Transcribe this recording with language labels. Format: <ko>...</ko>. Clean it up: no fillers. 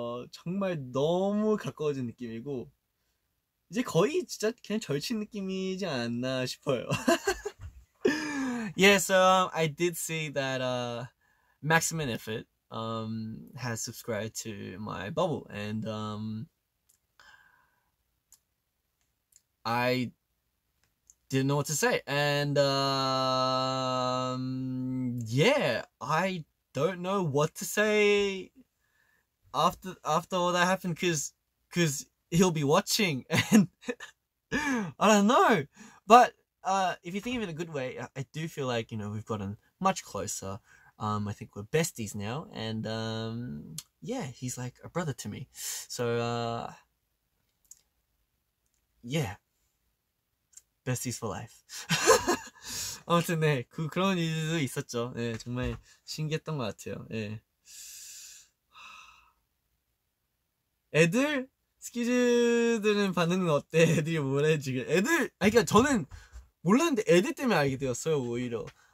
<ko>정말 너무 가까워진 느낌이고 이제 거의 진짜 그냥 절친 느낌이지 않나 싶어요.</ko> <en>Yeah, so I did see that Maximum Effort has subscribed to my bubble and I didn't know what to say and yeah I don't know what to say after all that happened because he'll be watching and I don't know but if you think of it in a good way I do feel like you know we've gotten much closer I think we're besties now and yeah he's like a brother to me so yeah Besties for life.</en> <ko>아무튼 네 그런 일도 있었죠. 네 정말 신기했던 것 같아요. 네. 애들 스키즈들은 반응은 어때? 애들이 뭐래 지금? 애들 아니 그러니까 저는 몰랐는데 애들 때문에 알게 되었어요 오히려.</ko>